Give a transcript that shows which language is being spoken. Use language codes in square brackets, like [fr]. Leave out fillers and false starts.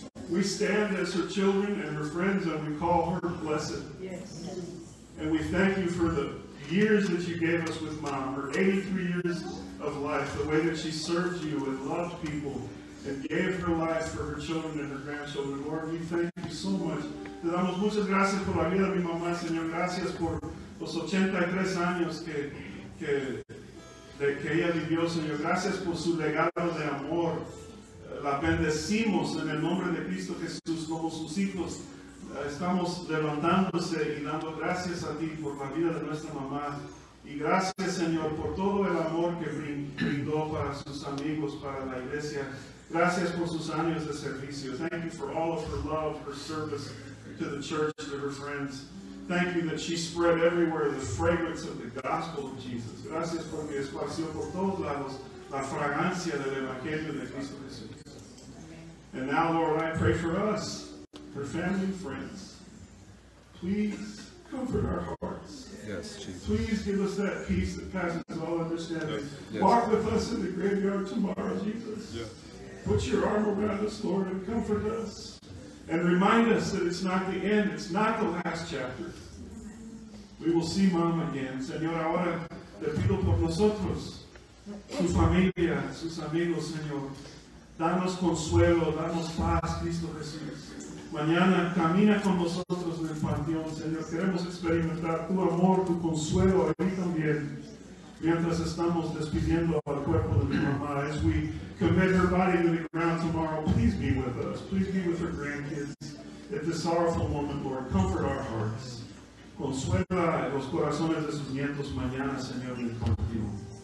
[en] We stand as her children and her friends, and we call her blessed. Yes. And we thank you for the years that you gave us with Mom, her 83 years of life, the way that she served you and loved people and gave her life for her children and her grandchildren. Lord, we thank you so much. [es] Te damos muchas gracias por la vida de mi mamá, Señor. Gracias por los 83 años que ella vivió, Señor. Gracias por su legado de amor. La bendecimos en el nombre de Cristo Jesús como sus hijos. Estamos levantándose y dando gracias a ti por la vida de nuestra mamá. Y gracias, Señor, por todo el amor que brindó para sus amigos, para la iglesia. Gracias por sus años de servicio. [en] Thank you for all of her love, her service to the church, to her friends. Thank you that she spread everywhere the fragrance of the gospel of Jesus. [es] Gracias porque esparció por todos lados la fragancia del evangelio de Cristo Jesús. [en] And now, Lord, I pray for us, her family and friends. Please comfort our hearts. Yes, Jesus. Please give us that peace that passes all understanding. Yes. Walk with us in the graveyard tomorrow, Jesus. Yes. Put your arm around us, Lord, and comfort us. And remind us that it's not the end, it's not the last chapter. We will see Mom again. [es] Señor, ahora te pido por nosotros, su familia, sus amigos, Señor. Danos consuelo, danos paz, Cristo Jesús. Mañana camina con nosotros en el panteón, Señor. Queremos experimentar tu amor, tu consuelo a mí también. Mientras estamos despidiendo al cuerpo de mi mamá, [en] as we commit her body to the ground tomorrow, please be with us. Please be with her grandkids at this sorrowful moment, Lord. Comfort our hearts. [es] Consuela los corazones de sus nietos mañana, Señor, en el panteón.